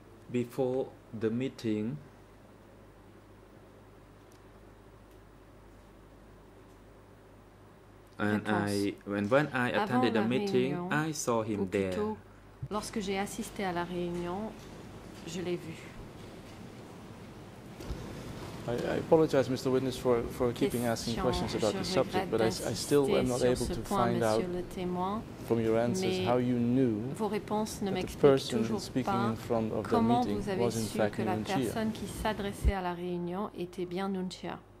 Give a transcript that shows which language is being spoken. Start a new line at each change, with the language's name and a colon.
English: Before the meeting, and when I attended the meeting,
French: réunion,
English: I saw him
French: plutôt,
English: there.
French: Lorsque j'ai assisté à la réunion, je l'ai vu.
English: I apologize, Mr. Witness, for keeping asking questions about the subject, but I still am not able to find out from your answers how you knew
French: vos réponses ne
English: that the person speaking in front of the meeting was in fact Nunchia.
French: Comment vous avez su que la personne qui s'adressait à la réunion était bien Nunchia?